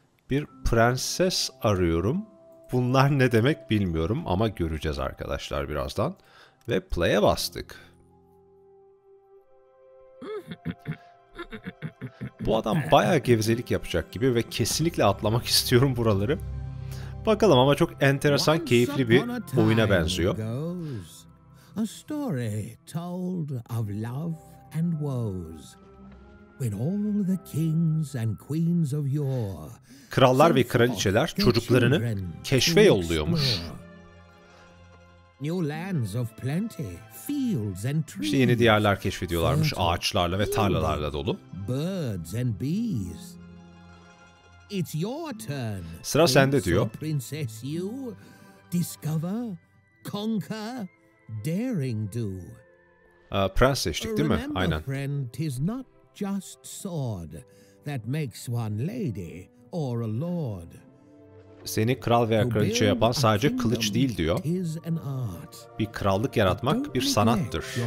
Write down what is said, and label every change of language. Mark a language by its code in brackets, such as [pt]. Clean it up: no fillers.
[tr] Bir prenses arıyorum. Bunlar ne demek bilmiyorum ama göreceğiz arkadaşlar birazdan. Ve play'e bastık. Bu adam bayağı gevezelik yapacak gibi ve kesinlikle atlamak istiyorum buraları. Bakalım ama çok enteresan, keyifli bir oyuna benziyor. [en] A story told of love and woes. When all the kings and queens of yore. [tr] Krallar ve kraliçeler çocuklarını keşfe yolluyormuş. [en] New lands of plenty, fields and trees. [tr] İşte yeni diyarlar keşfediyorlarmış, ağaçlarla ve tarlalarla dolu. [en] Birds and bees. It's your turn. [tr] Sıra sende diyor. [en] Princess you discover, conquer, daring do. [tr] Prens seçtik değil mi? Aynen. [en] Friend, tis not just sword that makes one lady or a lord. [tr] Seni kral veya kraliçe yapan sadece kılıç değil diyor. Bir krallık yaratmak bir sanattır.